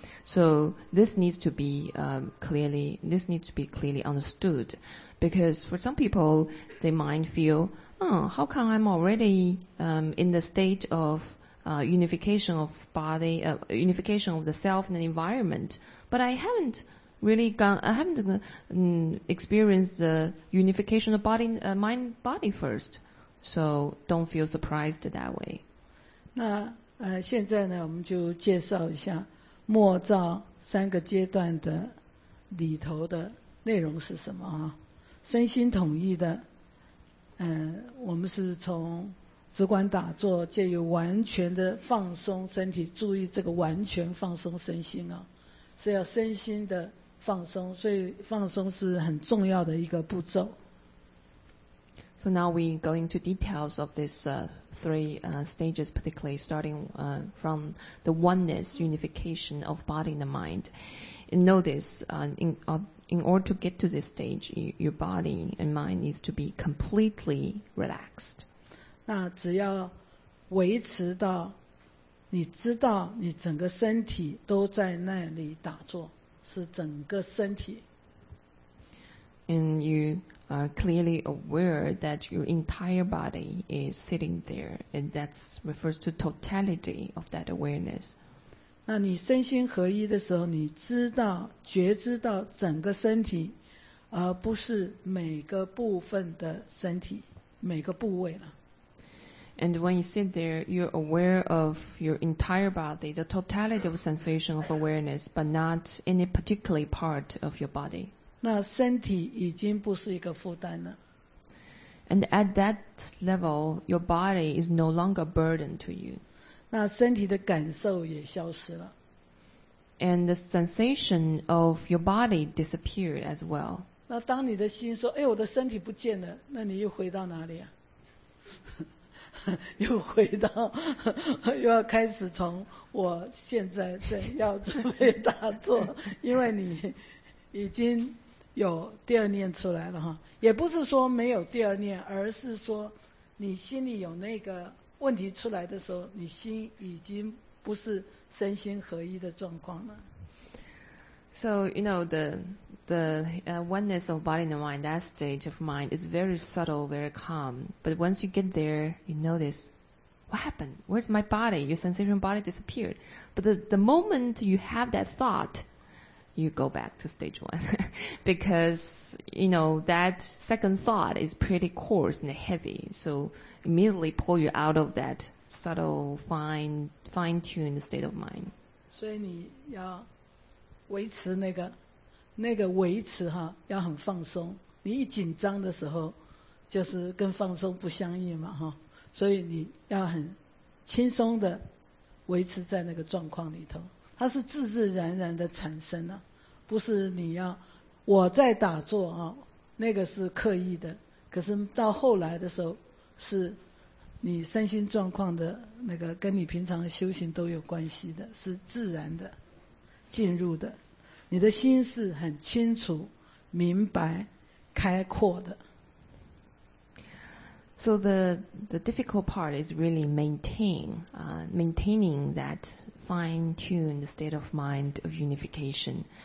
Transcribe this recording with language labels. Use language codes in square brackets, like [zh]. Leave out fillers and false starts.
[en] So this needs to be clearly understood, because for some people they might feel, oh, how come I'm already in the state of unification of body, unification of the self and the environment, but I haven't really gone, I haven't experienced the unification of body, mind body first. So don't feel surprised that way. [zh] 那现在呢，我们就介绍一下末照三个阶段的里头的内容是什么啊？身心统一的，我们是从直观打坐，借由完全的放松身体，注意这个完全放松身心啊，是要身心的放松，所以放松是很重要的一个步骤。 [en] So now we go into details of this three stages, particularly starting from the oneness, unification of body and the mind. And notice, in order to get to this stage, your body and mind needs to be completely relaxed. [zh] 那只要维持到你知道你整个身体都在那里打坐，是整个身体。 [en] And you... are clearly aware that your entire body is sitting there, and that refers to totality of that awareness. [zh] 那你身心合一的时候，你知道觉知到整个身体，而不是每个部分的身体每个部位了。 [en] And when you sit there, you're aware of your entire body, the totality of sensation of awareness, but not any particular part of your body. [zh] 那身体已经不是一个负担了。 [en] And at that level, your body is no longer a burden to you. [zh] 那身体的感受也消失了。 [en] And the sensation of your body disappeared as well. [zh] 那当你的心说，哎，我的身体不见了，那你又回到哪里啊？又回到，又要开始从我现在正要准备打坐，因为你已经有第二念出来了哈，也不是说没有第二念，而是说你心里有那个问题出来的时候，你心已经不是身心合一的状况了。 [en] So you know the oneness of body and mind, that state of mind is very subtle, very calm. But once you get there, you notice, what happened? Where's my body? Your sensation body disappeared. But the moment you have that thought,you go back to stage one. Because, you know, that second thought is pretty coarse and heavy. So immediately pull you out of that subtle, fine-tuned state of mind. [zh] 所以你要维持那个维持哈，要很放松。你一紧张的时候，就是跟放松不相应嘛哈。所以你要很轻松的维持在那个状况里头。它是自自然然的产生的，不是你要我在打坐啊，那个是刻意的。可是到后来的时候，是你身心状况的那个跟你平常的修行都有关系的，是自然的进入的。你的心是很清楚、明白、开阔的。 [en] So the difficult part is really maintaining that fine-tuned state of mind of unification.